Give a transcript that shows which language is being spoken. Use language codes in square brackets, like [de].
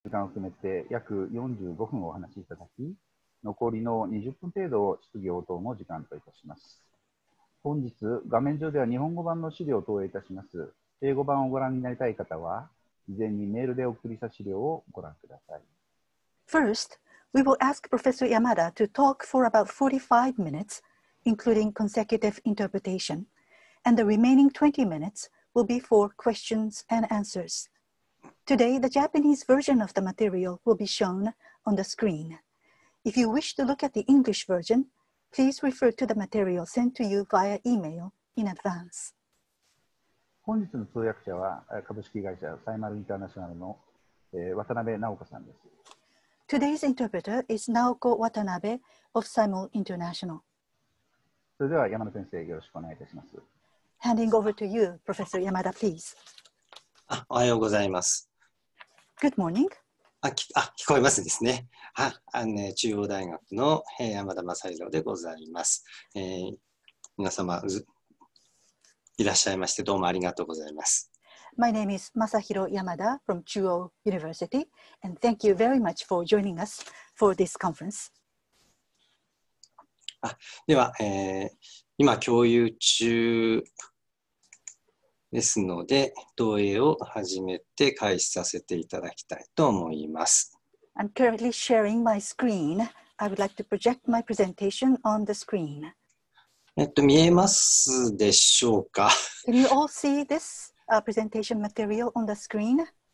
[ja] 時間を含めて約45分お話しいただき、残りの20分程度を質疑応答の時間といたします。本日画面上では日本語版の資料を投影いたします。英語版をご覧になりたい方は事前にメールで送りした資料をご覧ください。 [en] First, we will ask Professor Yamada to talk for about 45 minutes, including consecutive interpretation, and the remaining 20 minutes will be for questions and answers. Today, the Japanese version of the material will be shown on the screen. If you wish to look at the English version, please refer to the material sent to you via email in advance. [ja] 本日の通訳者は株式会社サイマルインターナショナルの、渡辺直子さんです。 [en] Today's interpreter is Naoko Watanabe of Simul International. [ja] それでは山田先生、よろしくお願いいたします。 [en] Handing over to you, Professor Yamada, please. [ja] おはようございます。 [en] Good morning. [ja] 聞こえますですね。中央大学の山田正弘でございます。皆様、いらっしゃいましてどうもありがとうございます。 [en] My name is Masahiro Yamada from Chuo University and thank you very much for joining us for this conference. [ja] では、今共有中ですので投影を始めて開始させていただきたいと思います。 [en] I'm currently sharing my screen. I would like to project my presentation on the screen. [ja] 見えますでしょうか。 [en] Can you all see this, presentation material on the screen?